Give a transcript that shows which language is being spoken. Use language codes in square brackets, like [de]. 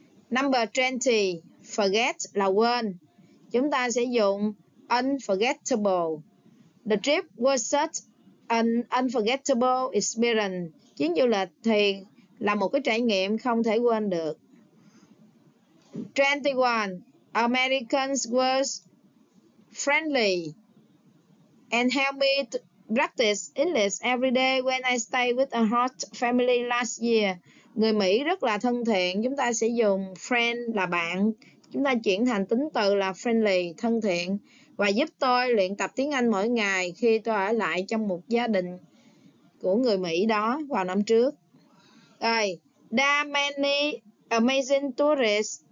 [en] Number 20, [vi] forget là quên. Chúng ta sẽ dùng unforgettable. [en] The trip was such an unforgettable experience. [vi] Chuyến du lịch thì là một cái trải nghiệm không thể quên được. 21. [en] Americans were friendly and helped me to practice English every day when I stayed with a host family last year. [vi] Người Mỹ rất là thân thiện. Chúng ta sẽ dùng friend là bạn. Chúng ta chuyển thành tính từ là friendly, thân thiện. Và giúp tôi luyện tập tiếng Anh mỗi ngày khi tôi ở lại trong một gia đình của người Mỹ đó vào năm trước. [en] Rồi, there are many amazing tourists.